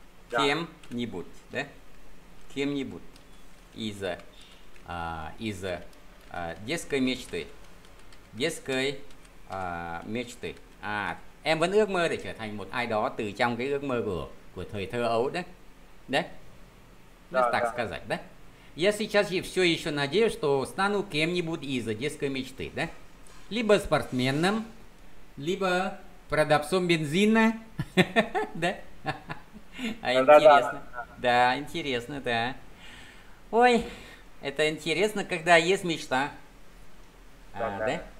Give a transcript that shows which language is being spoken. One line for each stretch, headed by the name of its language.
Russian: Кем-нибудь, да? Кем-нибудь из детской мечты. Детской мечты.
Vietnamese: А, em vẫn ước mơ để trở thành một ai đó từ trong cái ước mơ của thời thơ ấu đấy.
Russian: Đấy. Да, так сказать, да? Я сейчас всё ещё надеюсь, что стану кем-нибудь из детской мечты, да? Либо спортсменом, либо продавцом бензина. Да? А интересно. Да, интересно, да. Ой, это интересно, когда есть мечта. Да?